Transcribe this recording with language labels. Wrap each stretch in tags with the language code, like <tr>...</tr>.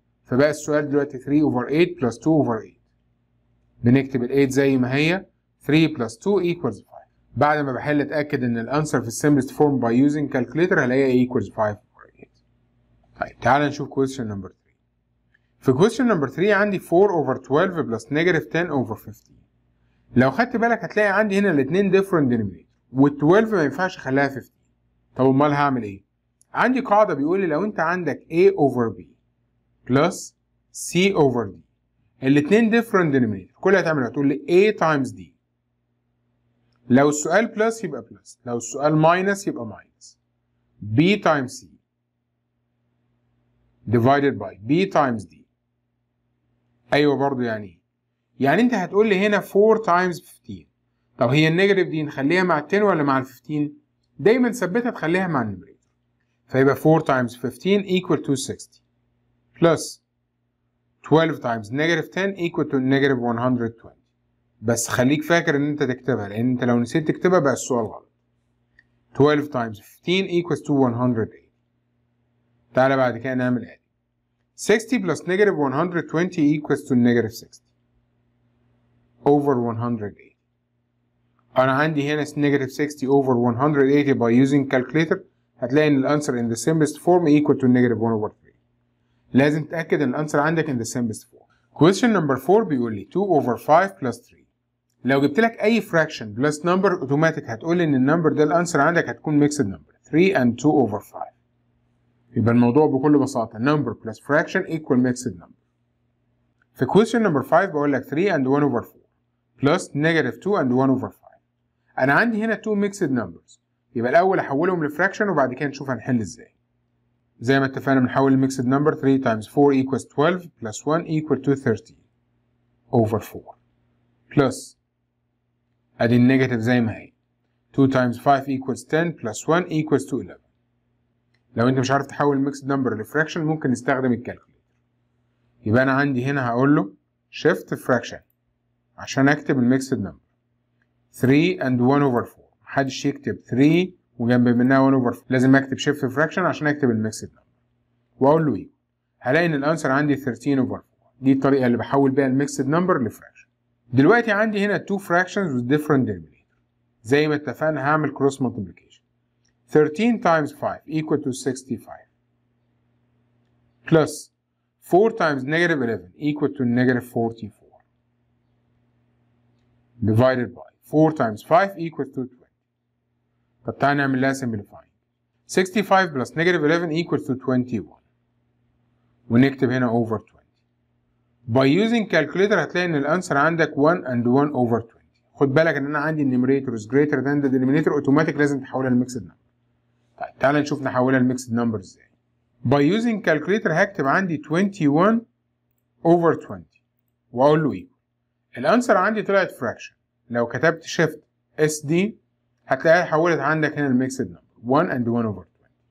<ar>فبقى السؤال دلوقتي</ar> <en>3 over 8 plus 2 over 8.</en> <ar>بنكتب ال 8 زي ما هي</ar> <en>3 plus 2 equals 5.</en> <ar>بعد ما بحل اتأكد ان الانسر في</ar> <en>simplest form by using calculator</en> <ar>هلاقيها</ar> <en>equals 5 over 8.</en> <ar>طيب تعال نشوف</ar> <en>question number 3. في question number 3 عندي 4 over 12 plus negative 10 over 15.</en> <ar>لو خدت بالك هتلاقي عندي هنا الاثنين different denominator وال 12 ما ينفعش اخليها 15. طب امال هعمل ايه؟ عندي قاعده بيقول لي لو انت عندك</ar> <en>a over b plus c over d</en> <ar>الاثنين different denominator، كل اللي هتعمله هتقول لي</ar> <en>a times d.</en> <ar>لو السؤال plus يبقى plus، لو السؤال minus يبقى minus.</ar> <en>b times c divided by b times d.</en> <ar>ايوه برضو يعني يعني انت هتقول لي هنا</ar> <en>4 times 15.</en> <ar>طب هي النيجاتيف دي نخليها مع ال 10 ولا مع ال 15؟ دايما ثبتها تخليها مع النيجاتيف.</ar> <en>فيبقى 4 times 15 equal to 60 plus 12 times negative 10 equal to negative 120.</en> <ar>بس خليك فاكر ان انت تكتبها، لان انت لو نسيت تكتبها بقى السؤال غلط.</ar> <en>12 times 15 equals to 180.</en> <ar>تعالى بعد كده نعمل ادي</ar> <en>60 plus negative 120 equals to negative 60 over 108.</en> <ar>أنا عندي هنا</ar> <en>negative 60 over 180 by using calculator</en> <ar>هتلاقي إن الأنسر</ar> <en>in the simplest form equal to negative 1 over 3.</en> <ar>لازم تتأكد إن الأنسر عندك in the simplest form.</ar> <en>Question number 4</en> <ar>بيقول لي</ar> <en>2 over 5 plus 3.</en> <ar>لو جبت لك أي</ar> <en>fraction plus number automatic</en> <ar>هتقول إن النمبر ده الأنسر عندك هتكون</ar> <en>mixed number 3 and 2 over 5.</en> <ar>يبقى الموضوع بكل بساطة</ar> <en>number plus fraction equal mixed number. في question number 5</en> <ar>بقول لك</ar> <en>3 and 1 over 4 plus negative 2 and 1 over 5.</en> <ar>انا عندي هنا</ar> <en>2 mixed numbers،</en> <ar>يبقى الاول احولهم لفراكشن وبعد كده نشوف هنحل ازاي. زي ما اتفقنا بنحول</ar> <en>mixed number 3 times 4 equals 12 plus 1 equal to 13 over 4 plus</en> <ar>ادي النيجاتيف زي ما هي</ar> <en>2 times 5 equals 10 plus 1 equals to 11.</en> <ar>لو انت مش عارف تحول mixed number لفراكشن ممكن نستخدم الكالكوليتر. يبقى انا عندي هنا هقول له</ar> <en>shift fraction</en> <ar>عشان اكتب الميكسد نمبر</ar> <en>3 and 1 over 4.</en> <ar>محدش يكتب 3 وجنب منها</ar> <en>1 over 4،</en> <ar>لازم اكتب شيفت فراكشن عشان اكتب الميكسد نمبر واقول له ايه. هلاقي ان الانسر عندي</ar> <en>13 over 4.</en> <ar>دي الطريقه اللي بحول بيها الميكسد نمبر لفراكشن. دلوقتي عندي هنا</ar> <en>2 fractions with different denominator.</en> <ar>زي ما اتفقنا هعمل كروس</ar> <en>multiplication 13 times 5 equal to 65 plus 4 times negative 11 equal to negative 44 divided by 4 times 5 equals to 20.</en> <ar>طب تعالى نعمل لها</ar> <en>simplifying 65 plus negative 11 equals to 21</en> <ar>ونكتب هنا</ar> <en>over 20. by using calculator</en> <ar>هتلاقي ان الانسر عندك</ar> <en>1 and 1 over 20.</en> <ar>خد بالك ان انا عندي النيميريتور</ar> <en>is greater than the denominator،</en> <ar>اوتوماتيك لازم تحولها لميكسد نمبر. طيب تعالى نشوف نحولها لميكسد نمبر ازاي.</ar> <en>by using calculator</en> <ar>هكتب عندي</ar> <en>21 over 20</en> <ar>واقول له ايه. الانسر عندي طلعت فراكشن، لو كتبت شيفت اس دي هتلاقيها حولت عندك هنا الميكسد نمبر</ar> <en>1 and 1 over 20.</en>